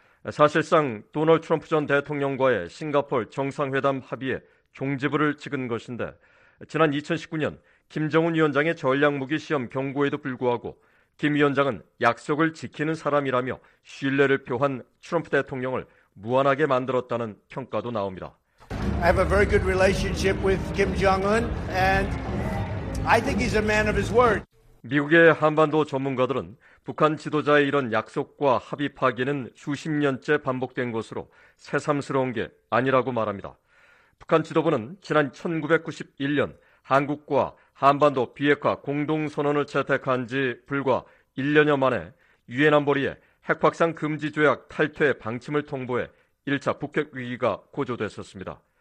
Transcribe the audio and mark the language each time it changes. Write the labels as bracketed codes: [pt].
[ko] 사실상 도널드 트럼프 전 대통령과의 싱가포르 정상회담 합의에 종지부를 찍은 것인데 지난 2019년 김정은 위원장의 전략무기 시험 경고에도 불구하고 김 위원장은 약속을 지키는 사람이라며 신뢰를 표한 트럼프 대통령을 무한하게 만들었다는 평가도 나옵니다. [en] I have a very good relationship with Kim Jong-un and I think he's a man of his word. [ko] 미국의 한반도 전문가들은 북한 지도자의 이런 약속과 합의 파기는 수십 년째 반복된 것으로 새삼스러운 게 아니라고 말합니다. 북한 지도부는 지난 1991년 한국과 한반도 비핵화 공동선언을 채택한 지 불과 1년여 만에 유엔 안보리에 핵확산 금지 조약 탈퇴 방침을 통보해 1차 북핵 위기가 고조됐었습니다.